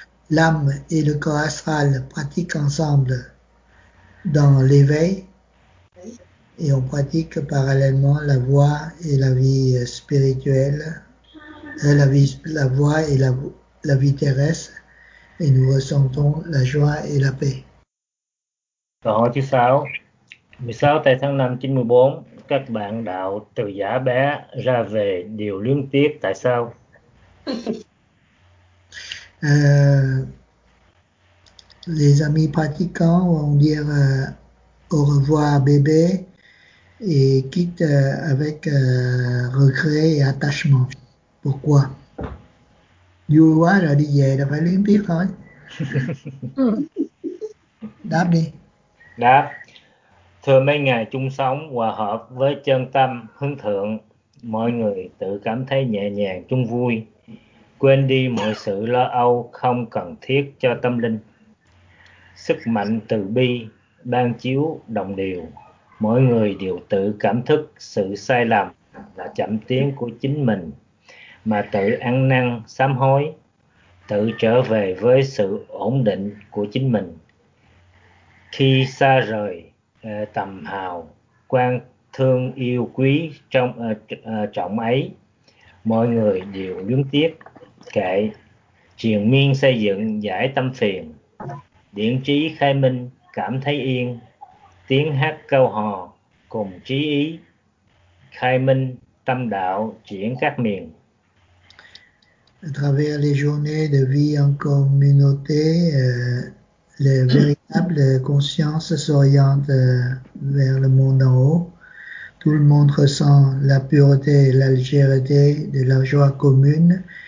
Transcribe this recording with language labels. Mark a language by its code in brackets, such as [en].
[fr] L'âme et le corps astral pratiquent ensemble dans l'éveil et on pratique parallèlement la voie et la vie spirituelle. La voix et la vie terrestre, et nous ressentons la joie et la paix. [vi] Câu hỏi thứ 6. 16 tây tháng 5, 94, các bạn đạo từ giả bé ra về đều luyến tiếc, tại sao? [fr] Les amis pratiquants vont dire au revoir bébé et quittent avec regret et attachement. Pourquoi? [vi] Vui quá rồi đi về là phải liên tiếp thôi. Đáp đi. Đáp. Thưa mấy ngày chung sống hòa hợp với chân tâm hướng thượng, mọi người tự cảm thấy nhẹ nhàng chung vui, quên đi mọi sự lo âu không cần thiết cho tâm linh. Sức mạnh từ bi ban chiếu đồng điều, mọi người đều tự cảm thức sự sai lầm và chậm tiến của chính mình, mà tự ăn năn sám hối, tự trở về với sự ổn định của chính mình. Khi xa rời tầm hào quang thương yêu quý trong trọng ấy, mọi người đều luyến tiếc kệ, triền miên xây dựng giải tâm phiền, điển trí khai minh cảm thấy yên, tiếng hát câu hò cùng trí ý khai minh tâm đạo chuyển các miền. [fr] À travers les journées de vie en communauté, les véritables consciences s'orientent vers le monde en haut. Tout le monde ressent la pureté et la légèreté de la joie commune.